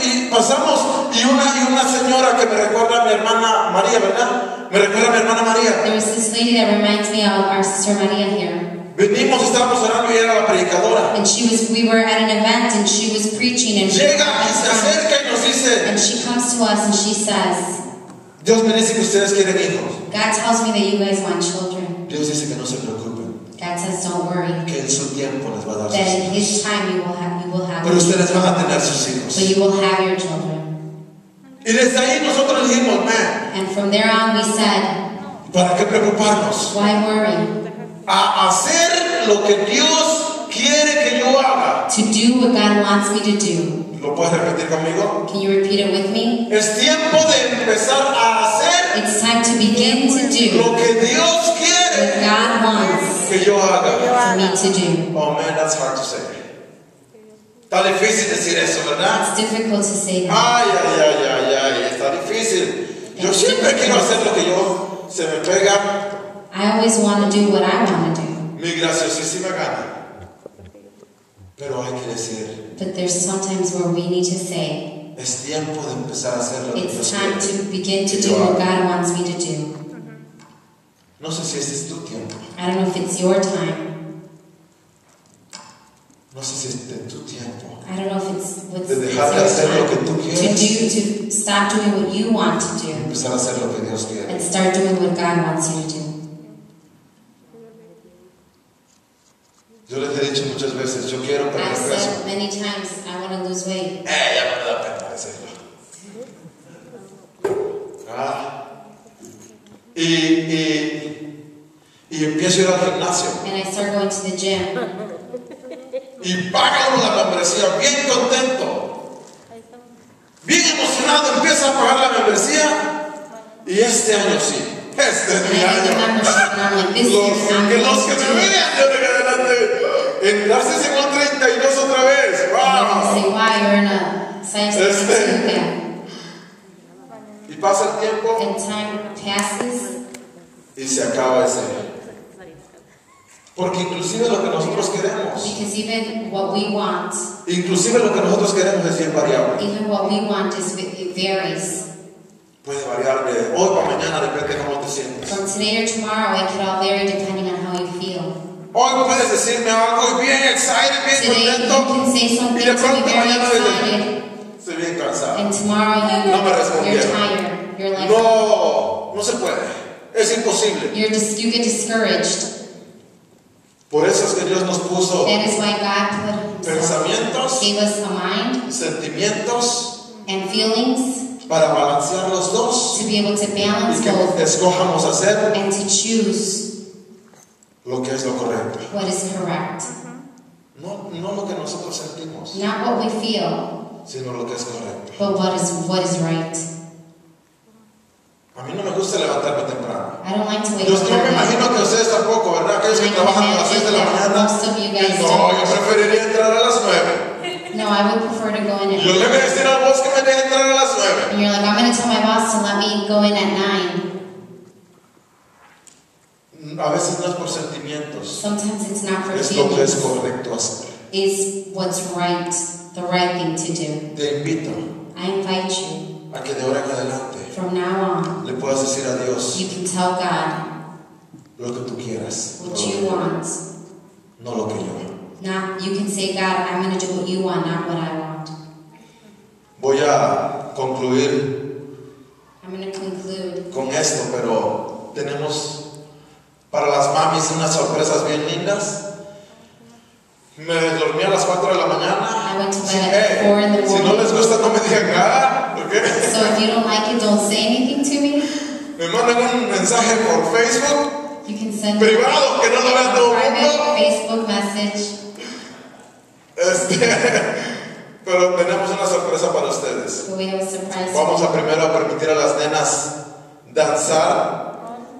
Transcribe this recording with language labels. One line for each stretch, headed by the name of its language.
Spanish: Pasamos y una señora que me recuerda a mi hermana María, ¿verdad? Me recuerda a mi hermana María.
English: There was this lady that reminds me of our sister Maria here.
Spanish: Venimos, estábamos orando y era la predicadora.
English: And she was, we were at an event and she was preaching and
Spanish: llega y se acerca y nos dice.
English: And she comes to us and she says.
Spanish: Dios me dice que ustedes quieren hijos.
English: God tells me that you guys want children.
Spanish: Dios dice que no se preocupen.
English: God says don't worry.
Spanish: Que en su tiempo les va a dar
English: that
Spanish: sus hijos.
English: That in his time you will have.
Spanish: Pero ustedes van a tener sus hijos.
English: But you will have your children.
Spanish: Y desde ahí nosotros dijimos, man.
English: And from there on we said.
Spanish: ¿Para qué preocuparnos?
English: Why worry?
Spanish: A hacer lo que Dios quiere que yo haga.
English: To do what God wants me to do.
Spanish: ¿Lo puedes repetir conmigo?
English: Can you repeat it with me?
Spanish: Es tiempo de empezar a hacer.
English: It's time to begin to do.
Spanish: Lo que Dios quiere.
English: What God wants.
Spanish: Que yo haga.
English: For me to do. Oh man, that's hard to say.
Spanish: Está difícil decir eso, ¿verdad?
English: It's difficult to say that.
Spanish: Ay, ay, ay, ay, ay, está difícil. Yo siempre quiero hacer lo que yo se me pega.
English: I always want to do what I want to do.
Spanish: Mi graciosísima gana. Pero hay que decir.
English: But there's sometimes where we need to say.
Spanish: Es tiempo de empezar a hacer lo que
English: it's
Spanish: Dios
English: time
Spanish: quiere.
English: To begin to do what God wants me to do.
Spanish: No sé si este es tu tiempo.
English: I don't know if it's your time.
Spanish: No sé si este es tu tiempo.
English: I don't know if it's what's
Spanish: de dejar de hacer lo que tú quieres.
English: To stop doing what you want to do.
Spanish: Empezar a hacer lo que Dios quiere.
English: And start doing what God wants you to do.
Spanish: Yo les he dicho muchas veces, yo quiero perder peso.
English: I've said many times, I want to lose weight.
Spanish: Ya me da pena decirlo. Ah. Y empiezo a ir al gimnasio.
English: And I start going to the gym.
Spanish: Y pagamos la membresía, bien contento. Bien emocionado, empiezo a pagar la membresía. Y este año sí. Este es mi año. Los que me miran de acá adelante. En clase 132 otra vez. Wow.
English: Say, wow, you're in a science
Spanish: experiment. Y pasa el tiempo.
English: And time passes.
Spanish: Y se acaba ese. Porque inclusive lo que nosotros queremos.
English: Because even what we want.
Spanish: Inclusive lo que nosotros queremos es bien variable.
English: Even what we want is it varies.
Spanish: Puede variar de hoy para mañana depende de cómo te sientes.
English: From today or tomorrow, it could all vary depending on how you feel.
Spanish: Hoy puedes decirme algo bien excited, bien contento. Y de pronto mañana dices, estoy bien cansado.
English: And tomorrow you,
Spanish: no me respondieron.
English: You're tired. You're like,
Spanish: no, no se puede. Es imposible.
English: You get discouraged.
Spanish: Por eso es que Dios nos puso
English: that is why God put
Spanish: pensamientos,
English: gave us a mind,
Spanish: sentimientos,
English: and feelings,
Spanish: para balancear los dos,
English: to be able to balance
Spanish: y que
English: both,
Spanish: escojamos hacer,
English: and to choose.
Spanish: Lo que es lo correcto.
English: What is correct?
Spanish: No lo que nosotros sentimos.
English: Not what we feel.
Spanish: Sino lo que es correcto.
English: But what is right?
Spanish: A mí no me gusta levantarme temprano.
English: I don't like to wake up.
Spanish: Yo me imagino que ustedes tampoco, ¿verdad? Aquellos que trabajan a las 6 de la mañana.
English: Most of you guys
Spanish: no,
English: do.
Spanish: Yo preferiría entrar a las 9.
English: No, I would prefer to go in at 9.
Spanish: Yo le voy a decir al boss que me deje entrar a las 9.
English: And you're like, I'm going to tell my boss to let me go in at 9.
Spanish: A veces no es por sentimientos.
English: Sometimes it's not for
Spanish: es
English: feelings.
Spanish: Lo que es correcto hacer.
English: Is what's right, the right thing to do.
Spanish: Te invito.
English: I invite you.
Spanish: A que de ahora en adelante.
English: From now on.
Spanish: Le puedas decir a Dios.
English: You can tell God.
Spanish: Lo que tú quieras.
English: What you want.
Spanish: No lo que yo.
English: Now you can say, God, I'm going to do what you want, not what I want.
Spanish: Voy a concluir.
English: I'm going to conclude.
Spanish: Con esto, pero tenemos. Para las mamis unas sorpresas bien lindas. Me dormí a las 4 de la mañana.
English: I went to bed at 4 in the morning.
Spanish: Si no les gusta no me digan nada, okay.
English: So if you don't like it, don't say anything to me.
Spanish: Me mandan un mensaje por Facebook.
English: You can send
Spanish: privado, que no lo vea todo el mundo.
English: Facebook message.
Spanish: Pero tenemos una sorpresa para ustedes.
English: So we have a surprise.
Spanish: Vamos a primero a permitir a las nenas danzar.